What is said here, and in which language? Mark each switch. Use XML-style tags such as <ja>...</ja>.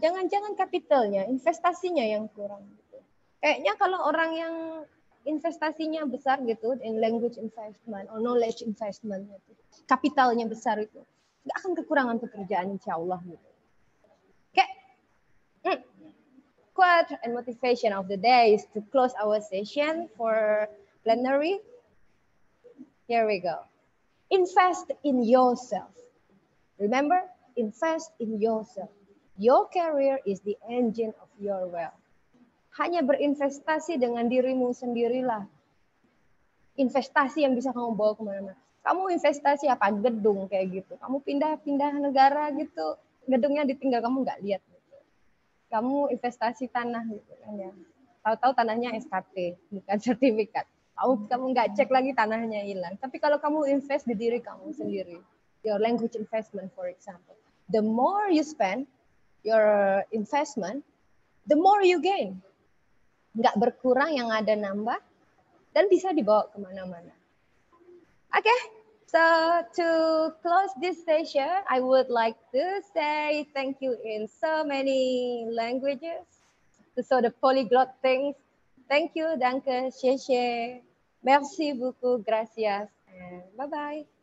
<id>Jangan-jangan kapitalnya, investasinya yang kurang. Kayaknya kalau orang yang investasinya besar gitu</id> <en>in language investment or knowledge investment</en> <id>gitu, kapitalnya besar itu nggak akan kekurangan pekerjaan insyaallah gitu.</id> <en>Okay. Quote and motivation of the day is to close our session for plenary. Here we go. Invest in yourself. Remember, invest in yourself. Your career is the engine of your wealth.</en> <id>Hanya berinvestasi dengan dirimu sendirilah. Investasi yang bisa kamu bawa kemana-mana. Kamu investasi apa? Gedung kayak gitu. Kamu pindah-pindah negara gitu. Gedungnya ditinggal, kamu nggak lihat. Kamu investasi tanah gitu kan ya. Tahu-tahu tanahnya SKT, bukan sertifikat. Kamu nggak cek lagi tanahnya hilang. Tapi kalau kamu invest di diri kamu sendiri,</id> <en>your language investment for example. The more you spend your investment, the more you gain.</en> <id>Nggak berkurang, yang ada nambah, dan bisa dibawa kemana-mana.</id> <en>Okay, so to close this session, I would like to say thank you in so many languages. So the polyglot things. Thank you, danke, xiexie. Merci beaucoup, gracias, and bye-bye.</en>